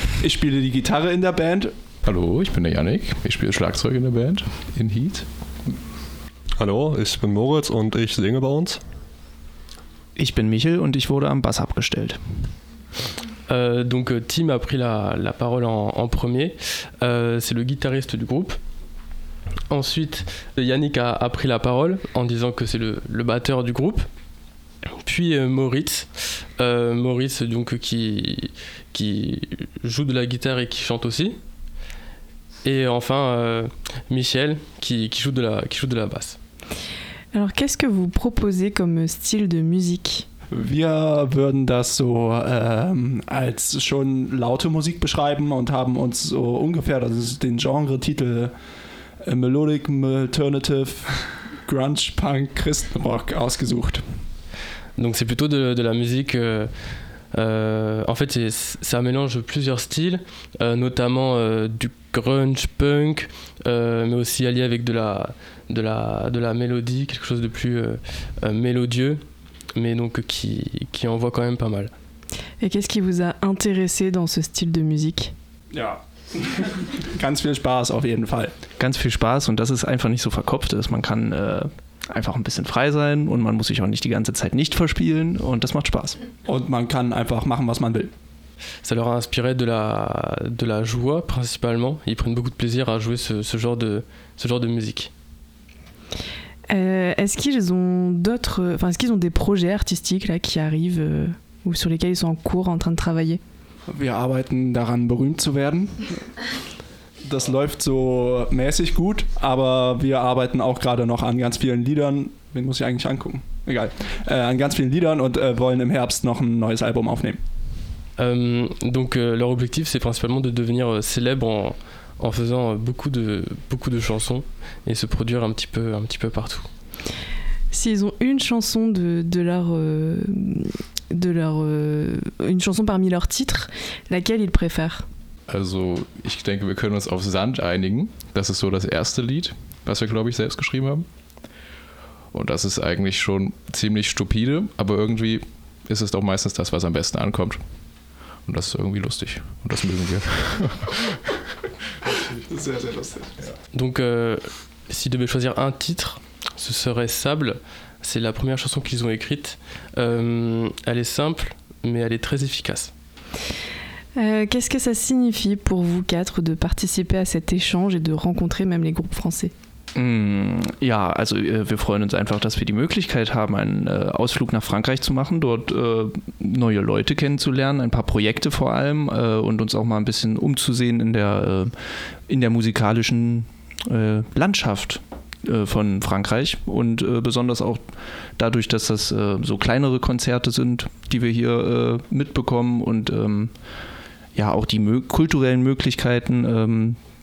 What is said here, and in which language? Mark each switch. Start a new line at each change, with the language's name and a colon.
German: Ich spiele die Gitarre in der Band. Hallo, ich bin der Yannick. Ich spiele Schlagzeug in der Band, in Heat. Hallo, ich bin Moritz und ich singe bei uns. Ich bin Michel und ich wurde am Bass abgestellt.
French: Donc Tim a pris la parole en premier. C'est le guitariste du groupe. Ensuite, Yannick a pris la parole en disant que c'est le batteur du groupe. Puis Moritz. Moritz donc qui joue de la guitare et qui chante aussi. Et enfin Michel qui joue de la basse. Alors, qu'est-ce que vous proposez comme style de musique?
German: Wir würden das so als schon laute Musik beschreiben und haben uns so ungefähr, das ist den Genre-Titel Melodic Alternative Grunge Punk Christenrock ausgesucht.
French: Donc c'est plutôt de la musique En fait, c'est un mélange de plusieurs styles, notamment du grunge, punk, mais aussi allié avec de la mélodie, quelque chose de plus mélodieux, mais donc qui envoie quand même pas mal. Et qu'est-ce qui vous a intéressé dans ce style de musique?
German: Ja. Ganz viel Spaß auf jeden Fall. Ganz viel Spaß, und das ist einfach nicht so verkopft, dass man kann einfach ein bisschen frei sein und man muss sich auch nicht die ganze Zeit nicht verspielen, und das macht Spaß. Und man kann einfach machen, was man will.
French: Ça leur a inspiré de la joie principalement. Ils prennent beaucoup de plaisir à jouer ce genre de musique. Est-ce qu'ils ont des projets artistiques là qui arrivent ou sur lesquels ils sont en cours en train de travailler?
German: Wir arbeiten daran, berühmt zu werden. Das läuft so mäßig gut, aber wir arbeiten auch gerade noch an ganz vielen Liedern. Wen muss ich eigentlich angucken? Egal. An ganz vielen Liedern und wollen im Herbst noch ein neues Album aufnehmen.
French: Leur objectif, c'est principalement de devenir célèbre en faisant beaucoup de chansons et se produire un petit peu partout. S'ils ont une chanson une chanson parmi leurs titres, laquelle ils préfèrent?
German: Also, ich denke, wir können uns auf Sand einigen. Das ist so das erste Lied, was wir, glaube ich, selbst geschrieben haben. Und das ist eigentlich schon ziemlich stupide, aber irgendwie ist es doch meistens das, was am besten ankommt. Und das ist irgendwie lustig. Und das mögen wir. Sehr, sehr lustig.
French: Donc, si devait choisir un titre, ce serait Sable. C'est la première chanson qu'ils ont écrite. Elle est simple, mais elle est très efficace. Qu'est-ce que ça signifie pour vous quatre de participer à cet échange et de rencontrer même les groupes français?
German: Ja, also wir freuen uns einfach, dass wir die Möglichkeit haben, einen Ausflug nach Frankreich zu machen, dort neue Leute kennenzulernen, ein paar Projekte vor allem und uns auch mal ein bisschen umzusehen in der musikalischen Landschaft von Frankreich und besonders auch dadurch, dass das so kleinere Konzerte sind, die wir hier mitbekommen und ja auch die kulturellen Möglichkeiten.